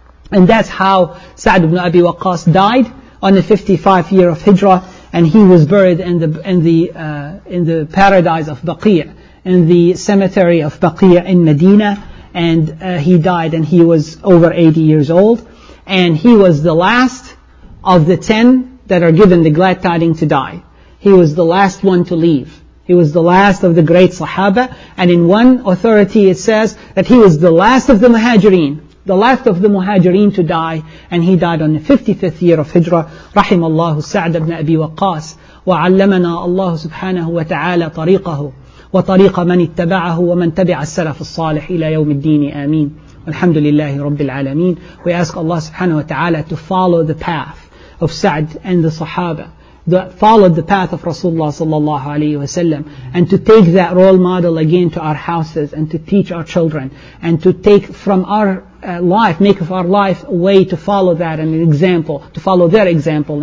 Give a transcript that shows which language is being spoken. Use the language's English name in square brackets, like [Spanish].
[English] And that's how Sa'd ibn Abi Waqas died on the 55th year of Hijrah, and he was buried in the paradise of Baqiyah, in the cemetery of Baqiyah in Medina, and he died, and he was over 80 years old, and he was the last of the 10 that are given the glad tidings to die. He was the last one to leave. He was the last of the great Sahaba. And in one authority it says that he was the last of the Muhajireen. The last of the Muhajireen to die. And he died on the 55th year of Hijrah. [Arabic] رحم الله سعد بن أبي وقاص وعلمنا الله سبحانه وتعالى طريقه وطريق من اتبعه ومن تبع السلف الصالح إلى يوم الدين آمين والحمد لله رب العالمين. [English] We ask Allah subhanahu wa ta'ala to follow the path of Sa'd and the Sahaba that followed the path of Rasulullah sallallahu alayhi wa sallam, and to take that role model again to our houses and to teach our children and to take from our life, make of our life a way to follow that and an example, to follow their example.